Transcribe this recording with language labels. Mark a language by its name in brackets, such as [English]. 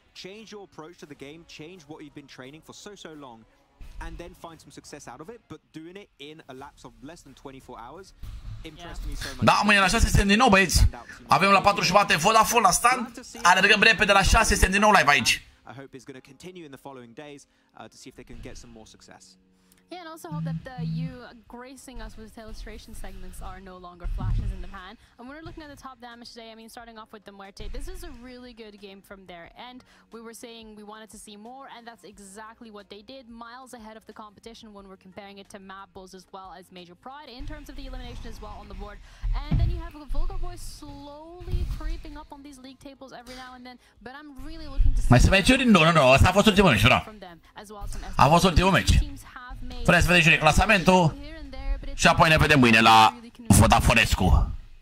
[English] Change your approach to the game, change what you've been training for so long, and then find some success out of it, but doing it in a lapse of less than 24 hours impressed me so much. [Romanian] Da, măi, la 6 suntem din nou, băieți. Avem la 4 jumate Vodafone la stand. Alergăm repede la 6, suntem din nou live aici. [English] I hope it's going to continue in the following days to see if they can get some more success. Yeah, and also hope that you gracing us with illustration segments are no longer flashes in the pan. And when we're looking at the top damage today, I mean, starting off with the Muerte, this is a really good game from their end. We were saying we wanted to see more, and that's exactly what they did. Miles ahead of the competition when we're comparing it to Mad Bulls as well as Major Pride in terms of the elimination as well on the board. And then you have a Vulgar Boy slowly creeping up on these league tables every now and then. But I'm really looking to see... No. [Romanian] Asta a fost ultimul match, a fost ultimul match. Vreți să vedeți jurii clasamentul și apoi ne vedem mâine la Vodaforescu.